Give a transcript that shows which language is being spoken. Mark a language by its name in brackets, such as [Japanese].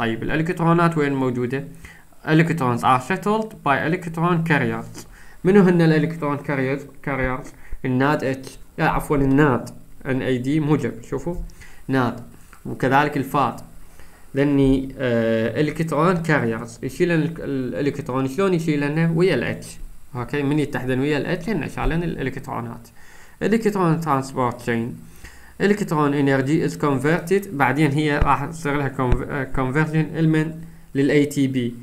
[Arabic] طيب الالكترونات وين موجودة؟ [English] Electrons are shuttled by electron carriers. [Arabic] منو هن الالكترون carriers؟ الناد H، عفوا الناد NAD موجب، شوفوا ناد، وكذلك الفاد. ذني الالكترون carriers يشيل الالكترون، شلون يشيلنه؟ ويا ال H. اوكي، من يتحدن ويا ال H هن شالن الالكترونات. [English] Electron transport chain. Electron energy is converted، [Arabic] بعدين هي راح تصير لها conversion element لل ATP.